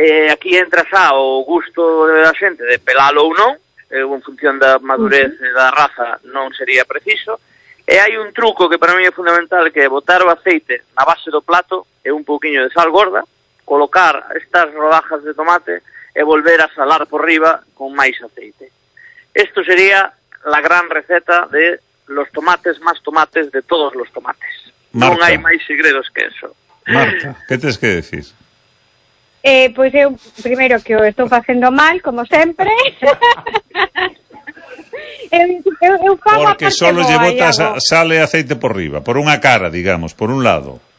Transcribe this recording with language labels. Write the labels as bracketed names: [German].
[Galician] Aquí entra xa o gusto da xente de pelalo ou non, en función da madurez da raza non sería preciso. E hai un truco que para mí é fundamental, que é botar o aceite na base do plato e un pouquiño de sal gorda, colocar estas rodajas de tomate e volver a salar por riba con máis aceite. [Spanish] Esto sería la gran receta de los tomates más tomates de todos los tomates. [Galician] Marta, non hai máis segredos que eso. Marta, que tens que decir? Pois eu, primeiro, que o estou facendo mal, como sempre. eu falo porque a solo lle botas sal e aceite por riba, por unha cara, digamos, por un lado.